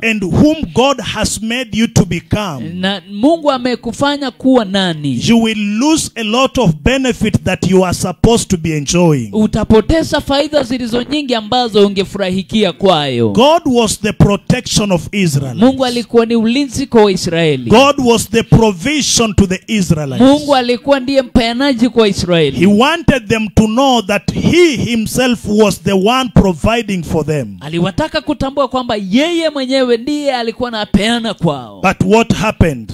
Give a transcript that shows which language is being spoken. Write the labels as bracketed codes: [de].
[en] And whom God has made you to become. [sw] Na Mungu amekufanya kuwa nani. [en] You will lose a lot of benefit that you are supposed to be enjoying. [sw] Utapoteza faida zilizo nyingi ambazo unge furahikia kwayo. [en] God was the protection of Israel. [sw] Mungu alikuwa ni ulinzi kwa Israeli. [en] God was the provision to the Israelites. [sw] Mungu alikuwa ndiye mpayanaji kwa Israeli. [en] He wanted them to know that he himself was the one providing for them. [sw] Aliwataka kutambua kwamba yeye mwenyewe ndiye alikuwa anapeana kwao. [en] But what happened?